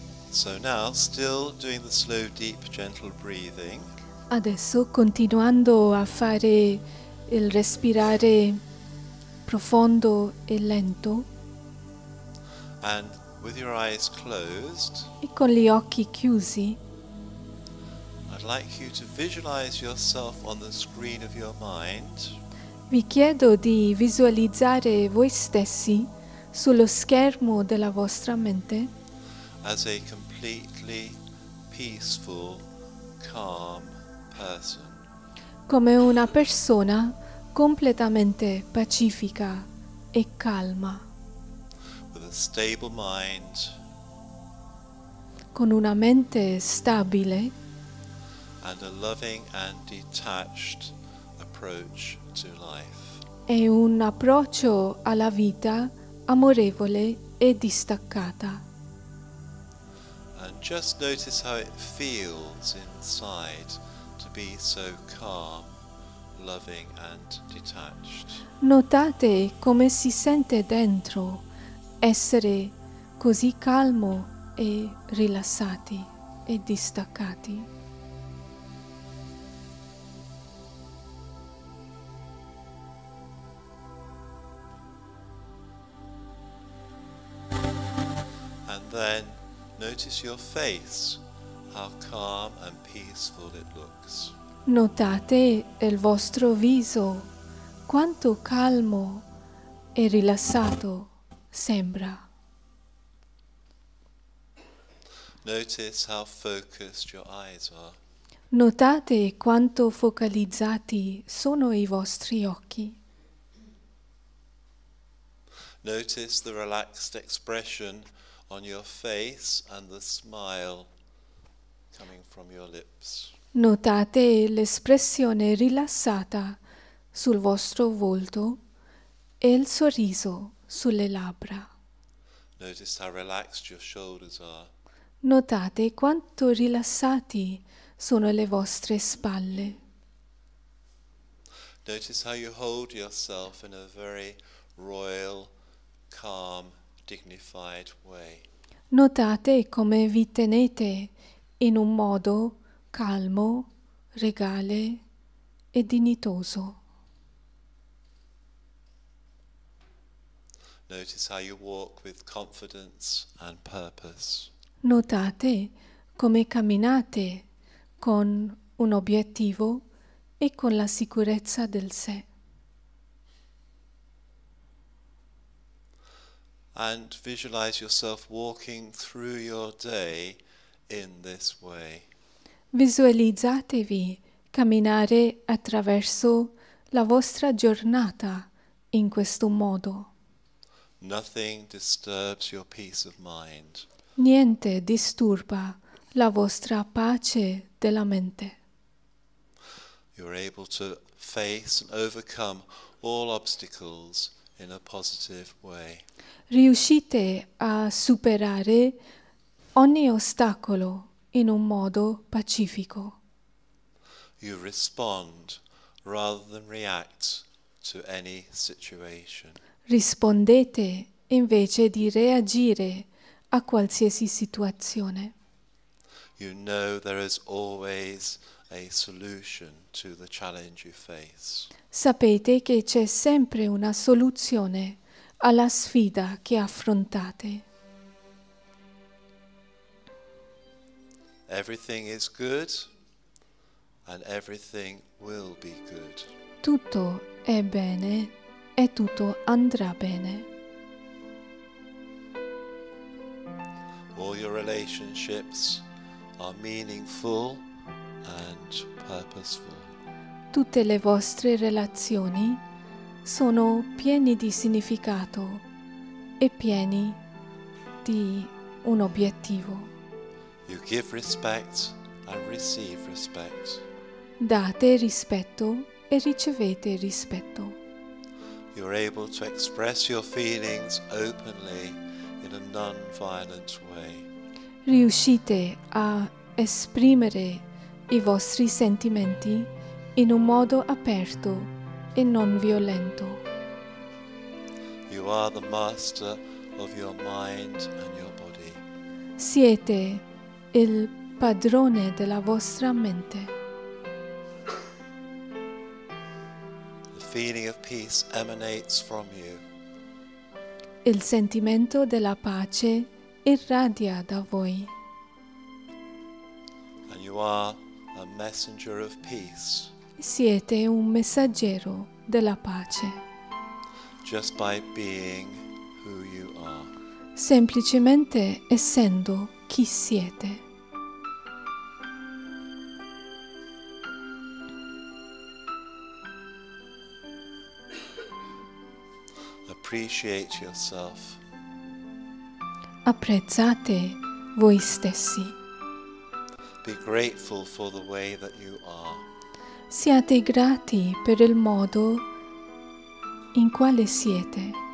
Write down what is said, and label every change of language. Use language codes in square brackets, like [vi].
[en] So now, still doing the slow, deep, gentle breathing. [it] Adesso, continuando a fare il respirare profondo e lento. [en] And with your eyes closed. [it] E con gli occhi chiusi. [en] I'd like you to visualize yourself on the screen of your mind. [it] Vi chiedo di visualizzare voi stessi sullo schermo della vostra mente. [en] As a completely peaceful, calm person. [it] Come una persona completamente pacifica e calma. [en] With a stable mind. [it] Con una mente stabile. [en] And a loving and detached approach to life. [it] E un approccio alla vita amorevole e distaccata. [en] And just notice how it feels inside to be so calm, loving and detached. [it] Notate come si sente dentro essere così calmo e rilassati e distaccati. [en] And then notice your face, how calm and peaceful it looks. [it] Notate il vostro viso, quanto calmo e rilassato sembra. [en] Notice how focused your eyes are. [it] Notate quanto focalizzati sono i vostri occhi. [en] Notice the relaxed expression on your face and the smile coming from your lips. [it] Notate l'espressione rilassata sul vostro volto e il sorriso sulle labbra. [en] Notice how relaxed your shoulders are. [it] Notate quanto rilassati sono le vostre spalle. [en] Notice how you hold yourself in a very royal, calm, dignified way. [it] Notate come vi tenete in un modo calmo, regale e dignitoso. [en] Notice how you walk with confidence and purpose. [it] Notate come camminate con un obiettivo e con la sicurezza del sé. [en] And visualize yourself walking through your day in this way. [it] Visualizzatevi camminare attraverso la vostra giornata in questo modo. [en] Nothing disturbs your peace of mind. [it] Niente disturba la vostra pace della mente. [en] You're able to face and overcome all obstacles in a positive way. [it] Riuscite a superare ogni ostacolo in un modo pacifico. [en] You respond rather than react to any situation. [it] Rispondete invece di reagire a qualsiasi situazione. [en] You know there is always a solution to the challenge you face. [it] Sapete che c'è sempre una soluzione alla sfida che affrontate. [en] Everything is good and everything will be good. [it] Tutto è bene e tutto andrà bene. [en] All your relationships are meaningful and purposeful. [it] Tutte le vostre relazioni sono pieni di significato e pieni di un obiettivo. [en] You give respect and receive respect. [it] Date rispetto e ricevete rispetto. [en] You're able to express your feelings openly in a non-violent way. [it] Riuscite a esprimere i vostri sentimenti in un modo aperto e non violento. [en] You are the master of your mind and your body. [it] Siete il padrone della vostra mente. [en] The feeling of peace emanates from you. [it] Il sentimento della pace irradia da voi. [en] And you are a messenger of peace. [it] Siete un messaggero della pace. [en] Just by being who you are. [it] Semplicemente essendo chi siete. [en] Appreciate yourself. [it] Apprezzate voi stessi. [en] Be grateful for the way that you are. [it] Siate grati per il modo in quale siete.